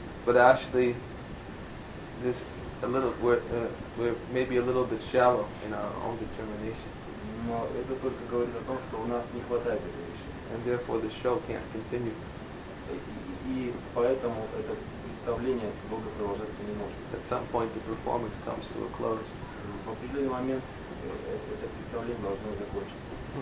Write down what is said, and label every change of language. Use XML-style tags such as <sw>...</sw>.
<en>But actually, this a little we're maybe a little bit shallow in our own determination.</en> <ru>Но это только говорит о том, что у нас не хватает этой решимости.</ru> <en>And therefore the show can't continue.</en> <ru>И поэтому это представление долго продолжаться не может.</ru> <en>At some point the performance comes to a close.</en> <ru>В определенный момент это представление должно закончиться.</ru>